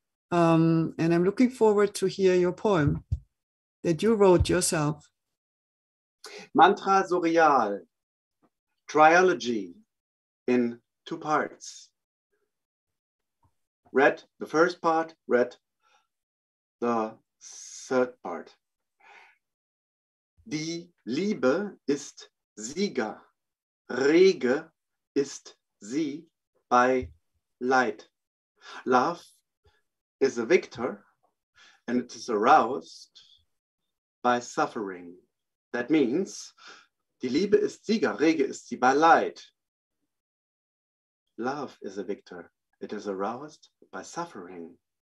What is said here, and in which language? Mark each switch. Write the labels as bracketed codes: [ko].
[en] And I'm looking forward to hear your poem that you wrote yourself. Mantra Surreal, Trilogy in two parts. Read the first part, read the third part. [de] Die Liebe ist Sieger, rege ist sie bei Leid. [en] Love is a victor and it is aroused by suffering. That means, [de] die Liebe ist Sieger, rege ist sie bei Leid. [en] Love is a victor. It is aroused by suffering.